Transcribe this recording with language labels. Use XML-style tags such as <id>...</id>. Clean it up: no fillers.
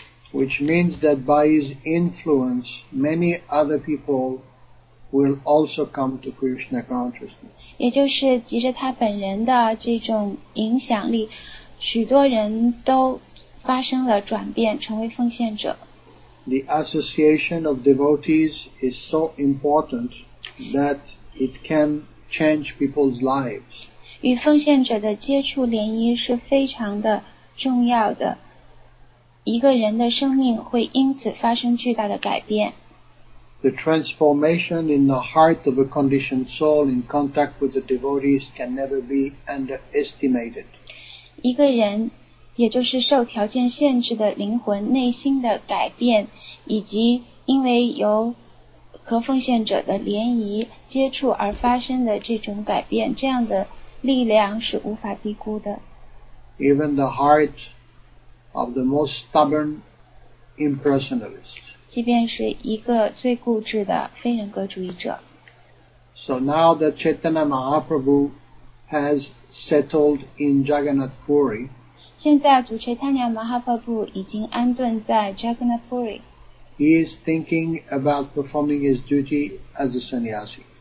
<en>Which means that by his influence, many other people will also come to Krishna consciousness.</en> <zh>也就是及着他本人的这种影响力，许多人都发生了转变，成为奉献者。</zh> <en>The association of devotees is so important that it can change people's lives.</en> <zh>与奉献者的接触联谊是非常的重要的。一个人的生命会因此发生巨大的改变。</zh> <en>The transformation in the heart of a conditioned soul in contact with the devotees can never be underestimated.</en> <zh>一个人，也就是受条件限制的灵魂内心的改变，以及因为由和奉献者的联谊接触而发生的这种改变，这样的力量是无法低估的。</zh> <en>Even the heart. Of the most stubborn impersonalist.</en> <zh>即便是一个最固执的非人格主义者。</zh> <en>So now that Chaitanya Mahaprabhu has settled in Jagannath Puri.</en> <zh>现在主 Chaitanya Mahaprabhu 已经安顿在 Jagannath Puri.</zh> <en>He is thinking about performing his duty as a sannyasi.</en>